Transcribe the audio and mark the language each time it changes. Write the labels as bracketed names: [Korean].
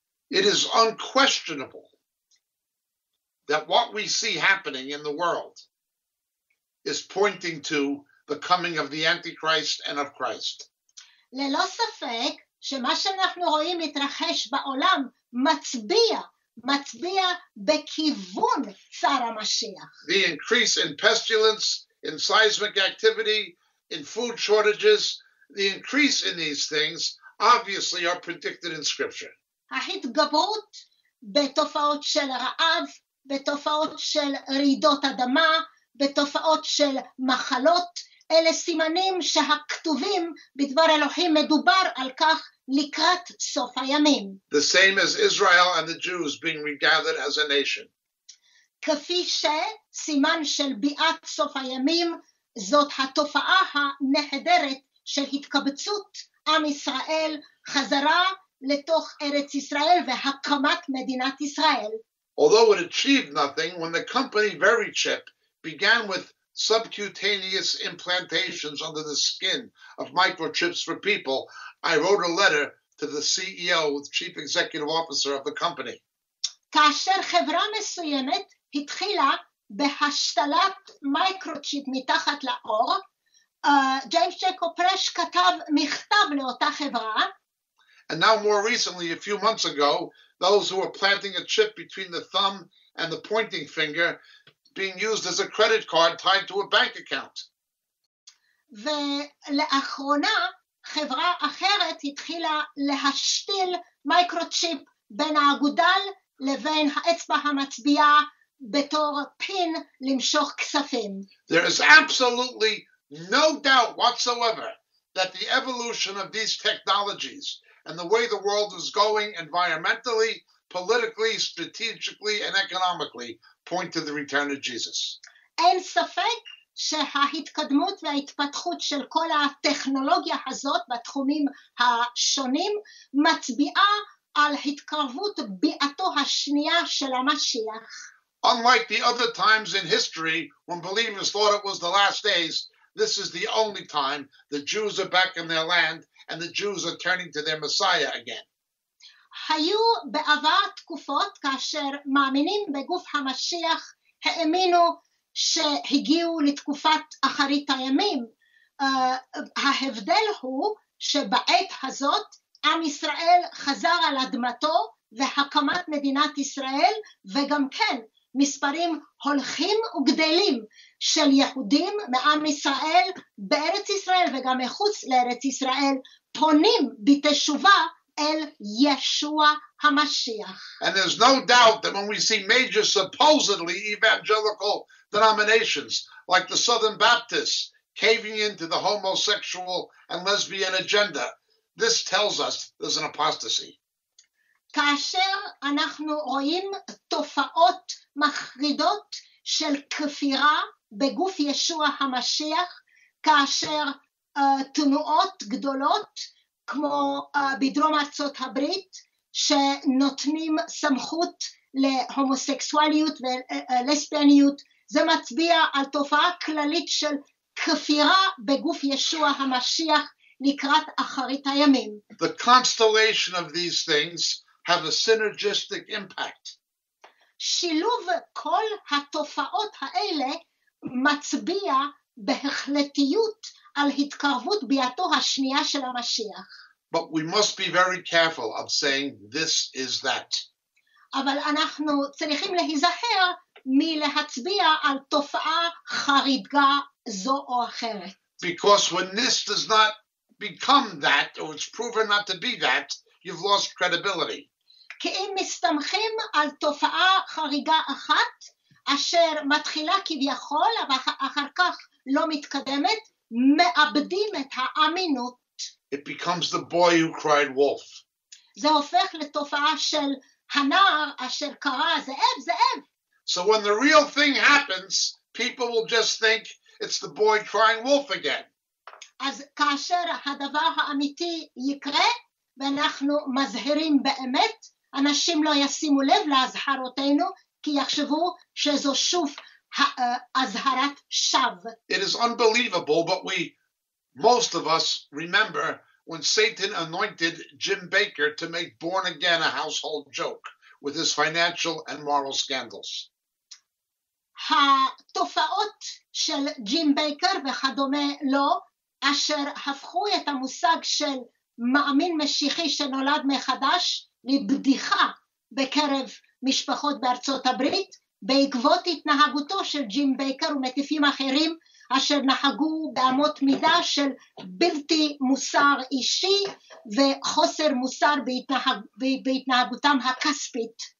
[English] It is unquestionable that what we see happening in the world is pointing to the coming of the Antichrist and of Christ. [Hebrew] ללא ספק שמה שאנחנו רואים מתרחש בעולם מצביע, מצביע בכיוון צר המשיח. [English] The increase in pestilence, in seismic activity, in food shortages, the increase in these things obviously are predicted in Scripture. [Hebrew] ההתגברות בתופעות של רעב, בתופעות של רעידות אדמה, בתופעות של מחלות, אלה סימנים שהכתובים בדבר אלוהים מדובר על כך לקראת סוף הימים. [English] The same as Israel and the Jews being regathered as a nation. [Hebrew] כפי שסימן של ביאת סוף הימים, זאת התופעה הנהדרת של התקבצות עם ישראל חזרה לתוך ארץ ישראל והקמת מדינת ישראל. [English] Although it achieved nothing when the company Verichip began with subcutaneous implantations under the skin of microchips for people, I wrote a letter to the CEO, the chief executive officer of the company. [Hebrew] כאשר חברה מסוימת התחילה בהשתלת מייקרוצ'יפ מתחת לאור, ג'יימס ג'קוב פרש כתב מכתב לאותה חברה. [English] And now more recently, a few months ago, those who were planting a chip between the thumb and the pointing finger being used as a credit card tied to a bank account. [Hebrew] ולאחרונה, חברה אחרת התחילה להשתיל מייקרוצ'יפ בין האגודל לבין האצבע המצביעה בתור פין למשוך כספים. [English] There is absolutely no doubt whatsoever that the evolution of these technologies and the way the world is going environmentally, politically, strategically, and economically point to the return of Jesus. [Hebrew] אין ספק שההתקדמות וההתפתחות של כל הטכנולוגיה הזאת בתחומים השונים מצביעה על התקרבות ביאתו השנייה של המשיח. [English] Unlike the other times in history when believers thought it was the last days, this is the only time the Jews are back in their land and the Jews are turning to their Messiah again. [Hebrew] היו בעבר תקופות כאשר מאמינים בגוף המשיח האמינו שהגיעו לתקופת אחרית הימים. ההבדל הוא שבעת הזאת עם ישראל חזר על אדמתו והקמת מדינת ישראל וגם כן מספרים הולכים וגדלים של יהודים מעם ישראל בארץ ישראל וגם מחוץ לארץ ישראל פונים בתשובה אל ישוע המשיח. [English] And there's no doubt that when we see major supposedly evangelical denominations like the Southern Baptists caving into the homosexual and lesbian agenda, this tells us there's an apostasy. [Hebrew] כאשר אנחנו רואים תופעות מחרידות של כפירה בגוף ישוע המשיח, כאשר תנועות גדולות כמו בדרום ארצות הברית שנותנים סמכות להומוסקסואליות ולספיאניות, זה מצביע על תופעה כללית של כפירה בגוף ישוע המשיח לקראת אחרית הימים. [English] The constellation of these things have a synergistic impact. [Hebrew] שילוב כל התופעות האלה מצביע בהחלטיות על התקרבות ביאתו השנייה של המשיח. [English] But we must be very careful of saying this is that. [Hebrew] אבל אנחנו צריכים להיזהר מלהצביע על תופעה חריגה זו או אחרת. [English] Because when this does not become that, or it's proven not to be that, you've lost credibility. [Hebrew] כי אם מסתמכים על תופעה חריגה אחת, אשר מתחילה כביכול, אבל אחר כך לא מתקדמת, מאבדים את האמינות. [English] It becomes the boy who cried wolf. [Hebrew] זה הופך לתופעה של הנער אשר קרא זאב, זאב. [English] So when the real thing happens, people will just think it's the boy crying wolf again. [Hebrew] אז כאשר הדבר האמיתי יקרה, ואנחנו מזהירים באמת, אנשים לא ישימו לב להזהרותינו, כי יחשבו שזו שוב הזהרת שווא. [English] It is unbelievable, but we, most of us, remember when Satan anointed Jim Baker to make Born Again a household joke with his financial and moral scandals. [Hebrew] התופעות של ג'ים בייקר וכדומה לו, אשר הפכו את המושג של מאמין משיחי שנולד מחדש לבדיחה בקרב משפחות בארצות הברית, בעקבות התנהגותו של ג'ים בייקר ומטיפים אחרים אשר נהגו באמות מידה של בלתי מוסר אישי וחוסר מוסר בהתנהגותם הכספית.